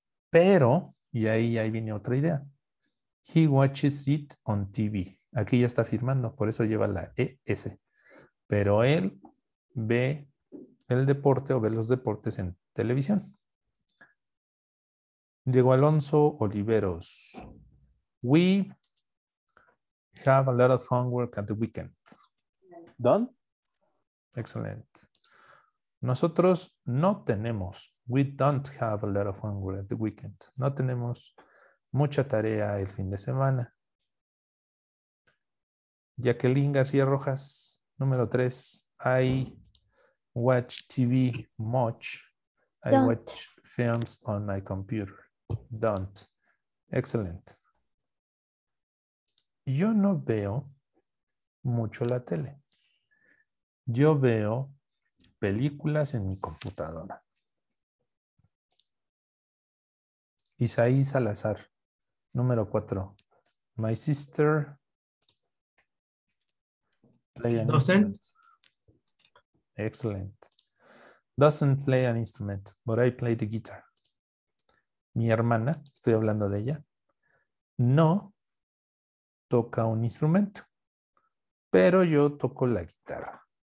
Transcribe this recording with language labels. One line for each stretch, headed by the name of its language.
Spanish: Pero, y ahí viene otra idea.
English: He watches it on TV.
Spanish: Aquí ya está firmando, por eso lleva la ES. Pero él ve el deporte o ve los deportes en televisión. Diego Alonso Oliveros.
English: We have a lot of homework at the weekend. Done.
Spanish: Excellent. Nosotros no tenemos.
English: We don't have a lot of homework at the weekend.
Spanish: No tenemos mucha tarea el fin de semana.
English: Jacqueline García Rojas.
Spanish: Número 3,
English: I watch TV much. I don't watch films on my computer. Don't. Excellent.
Spanish: Yo no veo mucho la tele. Yo veo películas en mi computadora.
English: Isaí Salazar.
Spanish: Número 4,
English: my sister play an instrument. Excellent. Doesn't play an instrument, but I play the guitar.
Spanish: Mi hermana, estoy hablando de ella, no toca un instrumento, pero yo toco la guitarra.